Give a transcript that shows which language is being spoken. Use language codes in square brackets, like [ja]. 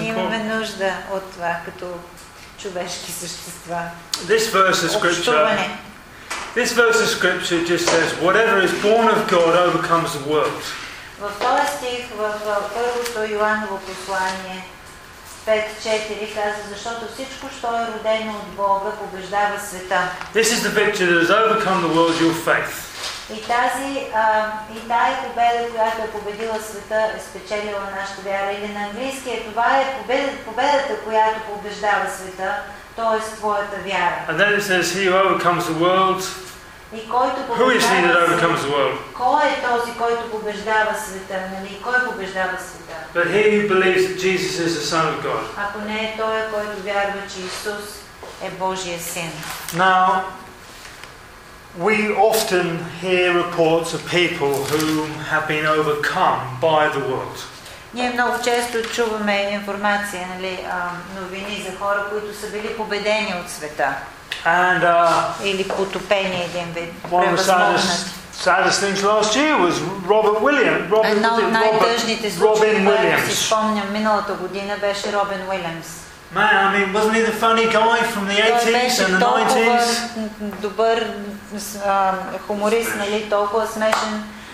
[bg] Имаме нужда от това като човешки същества. [en] This verse of scripture. This verse of scripture just says whatever is born of God overcomes the world. [bg] В този стих в първото Йоанново послание 5:4 казва, защото всичко, що е родено от Бога, побеждава света. [en] This is the victory that has overcome the world, your faith. [bg] И тази победа, която е победила света, е спечелила нашата вяра. Или на английски, това е победата, която побеждава света, т.е. твоята вяра. [en] And then it says, he who overcomes the world. [bg] И който побеждава света. [en] Who is he that overcomes the world? [bg] Кой е този, който побеждава света? Нали? Кой побеждава света? [en] But he who believes that Jesus is the Son of God. [bg] Ако не е той, който вярва, че Исус е Божия син. [en] Now, we often hear reports of people who have been overcome by the world. [bg] Ние много често чуваме информация, нали, новини за хора, които са били победени от света. [en] And [bg] или потопени един вид. [en] One of the saddest things last year was Robert Williams. [bg] Едно от най-тъжните случаи, си спомням, миналата година беше Робин Уилямс. [en] Man, I mean, wasn't he the funny guy from the 80s and the 90s? [bg] Добър хуморист, нали, толкова смешен.